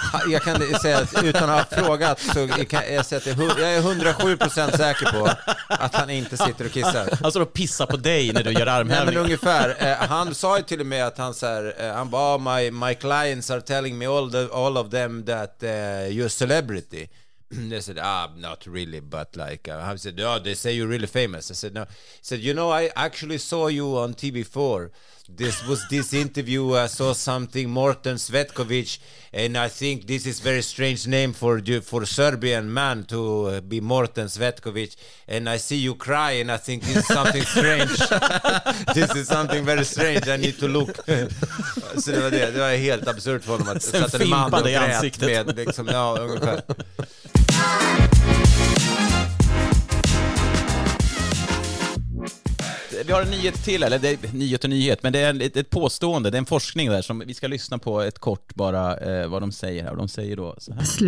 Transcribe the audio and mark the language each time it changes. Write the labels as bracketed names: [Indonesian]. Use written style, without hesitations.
[Swedish] Jag kan säga att utan att ha frågat så jag säger att jag är 107% säker på att han inte sitter och kissar. Han står och pissar på dig när du gör armhävning. Nej, men ungefär. Han sa ju till och med att han så här, han bara, [English] my clients are telling me all of them that you're a celebrity. They said, not really, but like, I said, oh, they say you're really famous. I said, no. He said, you know, I actually saw you on TV4. This was this interview. I saw something, Morten Svetkovic, and I think this is very strange name for Serbian man to be Morten Svetkovic. And I see you cry, and I think this is something strange. This is something very strange. I need to look. [Swedish] Så det var det. Det var helt absurd för honom att sätta en man i ansiktet med, liksom, ja, ungefär. Vi har en nyhet till, eller det är nyhet och nyhet, men det är ett påstående, det är en forskning där som vi ska lyssna på ett kort bara vad de säger här. De säger då så här.